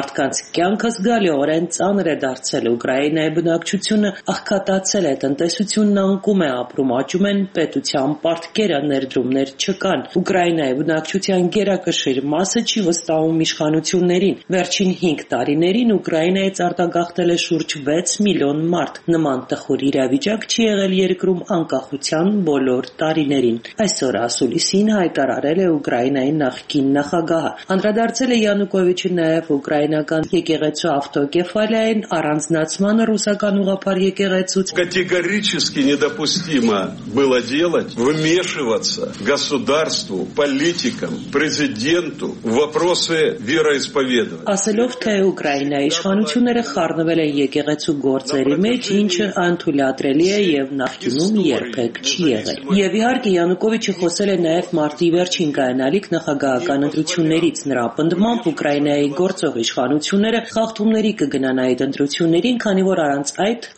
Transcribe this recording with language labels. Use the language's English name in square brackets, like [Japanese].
[Armenian] Կյանքը զգալիորեն ծանր է դարձել Ուկրաինայի բնակչությունը, աղքատացել է տնտեսությունն, անկում է ապրում, աճում են պետության պարտքերը, ներդրումներ չկան։ Ուկրաինայի բնակչության գերակշիռ մասը չի վստահում իշխանություններին։ Վերջին 5 տարիներին Ուկրաինայից արտագաղթել է շուրջ 6 միլիոն մարդ։ Նման տխուր իրավիճակ չի եղել երկրում անկախության բոլոր տարիներին։ Այսօր ասուլիսին հայտարարել է Ուկրաինայի նախկին նախագահը։ Անդրադարձել է Յանուկովիչը նաև ուկրաինական եկեղեցու ավտոկեֆալիային, առանձնացման ռուսական ուղափար եկեղեցուց։ [Russian] Կատեգորիչեսկի недопустимо было делать вмешиваться государству, политикам, президенту в вопросы вероисповедания։ [Armenian] Ասելով, թե Ուկրաինայի իշխանությունները խառնվել են եկեղեցու գործերի մեջ, ինչը անթույլատրելի է եւ նախկինում երբեք չի եղել։ Եվ իհարկե Յանուկովիչը խոսել է նաեւ մարտի վերջին կայանալիք նախագահական ընտրություններից, նրա ապնդմամբ Ուկրաինայի գործող իշխանությունը խախտումների կգնան այդ ընտրություններին, քանի որ առանց այդ